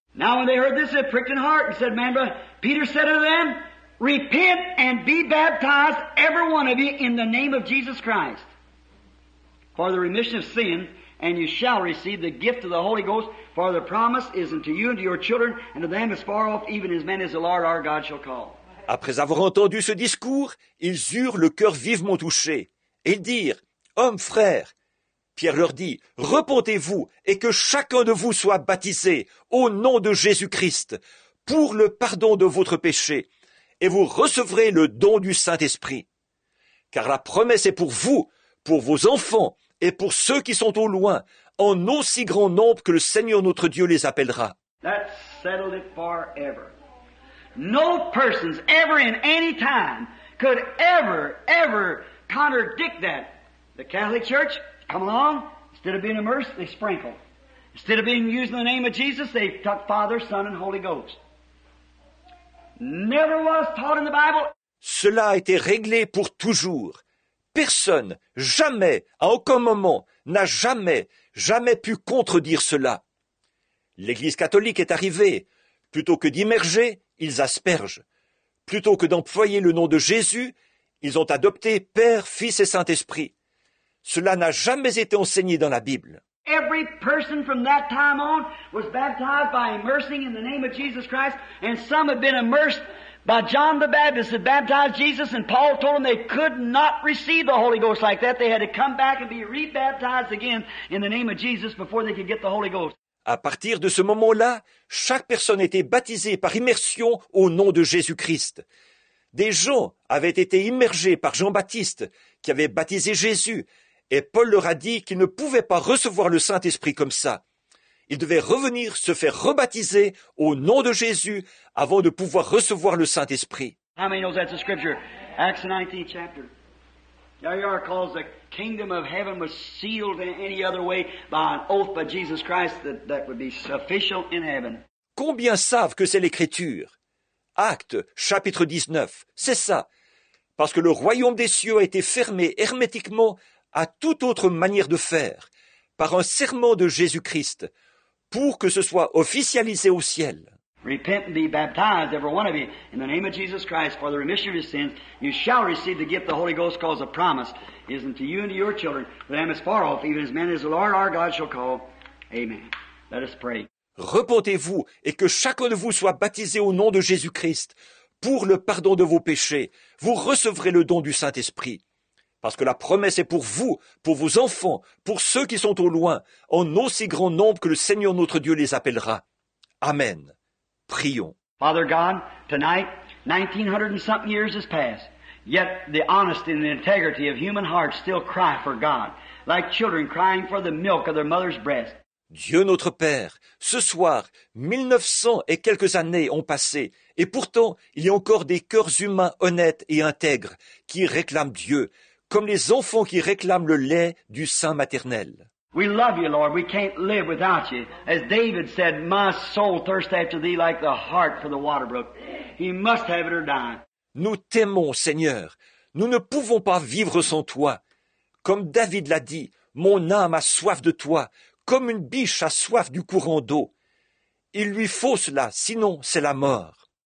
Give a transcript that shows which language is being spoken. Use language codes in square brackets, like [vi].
[en] Now when they heard this, they pricked in heart and said, man, brother, Peter said to them, repent and be baptized, every one of you, in the name of Jesus Christ, for the remission of sin, and you shall receive the gift of the Holy Ghost. For the promise is unto you and to your children, and to them as far off, even as many as the Lord our God shall call. [fr] Après avoir entendu ce discours, ils eurent le cœur vivement touché, et ils dirent, hommes frères, Pierre leur dit, repentez-vous, et que chacun de vous soit baptisé, au nom de Jésus-Christ, pour le pardon de votre péché, et vous recevrez le don du Saint-Esprit. Car la promesse est pour vous, pour vos enfants, et pour ceux qui sont au loin, en aussi grand nombre que le Seigneur notre Dieu les appellera. [en] That settled it forever. No persons ever in any time could ever, ever contradict that. The Catholic Church come along, instead of being immersed, they sprinkle. Instead of being using the name of Jesus, they took Father, Son, and Holy Ghost. Never was taught in the Bible. [fr] Cela a été réglé pour toujours. Personne, jamais, à aucun moment, n'a jamais, jamais pu contredire cela. L'Église catholique est arrivée. Plutôt que d'immerger, ils aspergent. Plutôt que d'employer le nom de Jésus, ils ont adopté Père, Fils et Saint-Esprit. Cela n'a jamais été enseigné dans la Bible. [en] Every person from that time on was baptized by immersing in the name of Jesus Christ, and some have been immersed by John the Baptist that baptized Jesus, and Paul told them they could not receive the Holy Ghost like that. They had to come back and be rebaptized again in the name of Jesus before they could get the Holy Ghost. [fr] À partir de ce moment-là, chaque personne était baptisée par immersion au nom de Jésus-Christ. Des gens avaient été immergés par Jean-Baptiste, qui avait baptisé Jésus, et Paul leur a dit qu'ils ne pouvaient pas recevoir le Saint-Esprit comme ça. Ils devaient revenir se faire rebaptiser au nom de Jésus avant de pouvoir recevoir le Saint-Esprit. [en] How many knows that's a scripture? Acts 19 chapter. Yair calls the kingdom of heaven was sealed in any other way by an oath by Jesus Christ that would be official in heaven. [fr] Combien savent que c'est l'Écriture? Actes chapitre 19, c'est ça. Parce que le royaume des cieux a été fermé hermétiquement à toute autre manière de faire, par un serment de Jésus-Christ, pour que ce soit officialisé au ciel. [en] Repent and be baptized, every one of you, in the name of Jesus Christ, for the remission of your sins. You shall receive the gift of the Holy Ghost, because the promise is unto you and to your children, for them as far off, even as many as the Lord our God shall call. Amen. Let us pray. [fr] Repentez-vous, et que chacun de vous soit baptisé au nom de Jésus-Christ, pour le pardon de vos péchés. Vous recevrez le don du Saint-Esprit. Parce que la promesse est pour vous, pour vos enfants, pour ceux qui sont au loin, en aussi grand nombre que le Seigneur notre Dieu les appellera. Amen. Prions. [en] Father God, tonight, 1900 and something years has passed, yet the honesty and the integrity of human hearts still cry for God, like children crying for the milk of their mother's breast. [fr] Dieu notre Père, ce soir, 1900 et quelques années ont passé, et pourtant, il y a encore des cœurs humains honnêtes et intègres qui réclament Dieu, comme les enfants qui réclament le lait du sein maternel. [en] We love you, Lord. We can't live without you. As David said, my soul thirsts after thee like the hart for the water brook. He must have it or die. [fr] Nous t'aimons, Seigneur. Nous ne pouvons pas vivre sans toi. Comme David l'a dit, mon âme a soif de toi, comme une biche a soif du courant d'eau. Il lui faut cela, sinon c'est la mort.